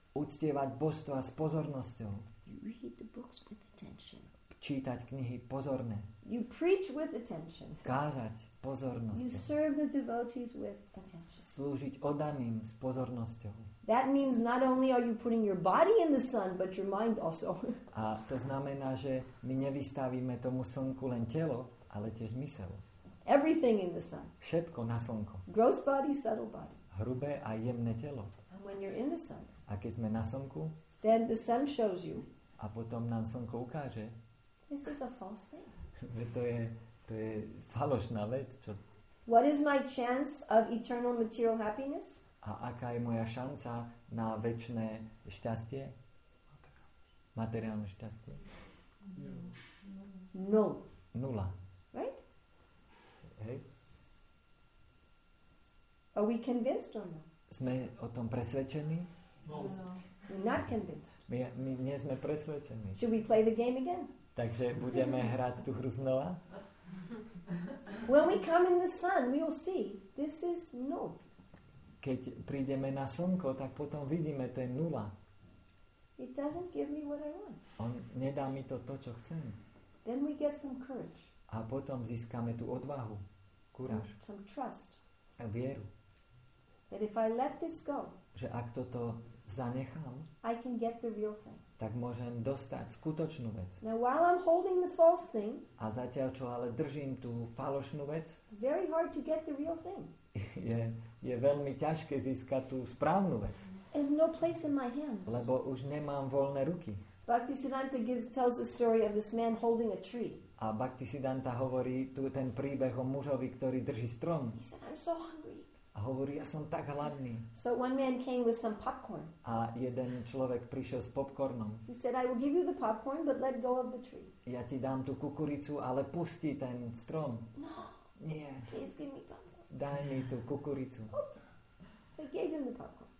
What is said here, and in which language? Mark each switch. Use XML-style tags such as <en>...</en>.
<sk>Uctievať božstva s pozornosťou.</sk> <en>You read the books with attention.</en> <sk>Čítať knihy pozorne.</sk> <en>You preach with attention.</en> <sk>Kázať pozornosťou.</sk> <en>You serve the devotees with attention.</en> <sk>Slúžiť oddaným s pozornosťou.</sk> <en>That means not only are you putting your body in the sun, but your mind also.</en> <sk>A to znamená, že my nevystavíme tomu slnku len telo, ale tiež mysel.</sk> <en>Everything in the sun.</en> <sk>Všetko na slnko.</sk> <en>Gross body, subtle body.</en> <sk>Hrubé a jemné telo.</sk> <en>And when you're in the sun.</en> <sk>A keď sme na slnku.</sk> <en>Then the sun shows you.</en> <sk>A potom nám slnko ukáže.</sk> <en>This is a false thing.</en> <sk>To je falošná vec. Čo?</sk> <en>What is my chance of eternal material happiness?</en> <sk>A aká je moja šanca na večné šťastie? Materiálne šťastie?</sk> <en>No.</en> <sk>Nula.</sk> <en>Right? Hey. Are we convinced or not?</en> <sk>Sme o tom presvedčení?</sk> <en>No. We're not convinced.</en> <sk>My nie sme presvedčení.</sk> <en>Should we play the game again?</en> <sk>Takže budeme hrať tú hru znova.</sk> <en>When we come in the sun, we will see this is null.</en> <sk>Keď prídeme na slnko, tak potom vidíme, to je nula.</sk> <en>It doesn't give me what I want.</en> <sk>On nedá mi to, to čo chcem.</sk> <en>Then we get some courage.</en> <sk>A potom získame tú odvahu, kuráž.</sk> <en>Some trust.</en> <sk>A vieru.</sk> <en>That if I let this go,</en> <sk>že ak toto zanechám,</sk> <en>I can get the real thing.</en> <sk>Tak môžem dostať skutočnú vec.</sk> <en>Now while I'm holding the false thing,</en> <sk>a zatiaľ čo ale držím tú falošnú vec,</sk> <en>very hard to get the real thing.</en> <sk>Je veľmi ťažké získať tú správnu vec.</sk> <en>There's no place in my hands.</en> <sk>Lebo už nemám voľné ruky.</sk> <en>Bhaktisiddhanta tells the story of this man holding a tree.</en> <sk>A Bhaktisiddhanta hovorí tu ten príbeh o mužovi, ktorý drží strom.</sk> <en>He said, I'm so hungry.</en> <sk>A hovorí, ja som tak hladný.</sk> <en>So one man came with some popcorn.</en> <sk>A jeden človek prišiel s popcornom.</sk> <en>He said, I will give you the popcorn, but let go of the tree.</en> <sk>Ja ti dám tú kukuricu, ale pusti ten strom.</sk> <en>No.</en> <sk>Nie.</sk> <en>Please give me popcorn.</en> <sk>Daj mi tú kukuricu.</sk> <en>Okay. So he gave him the popcorn.</en>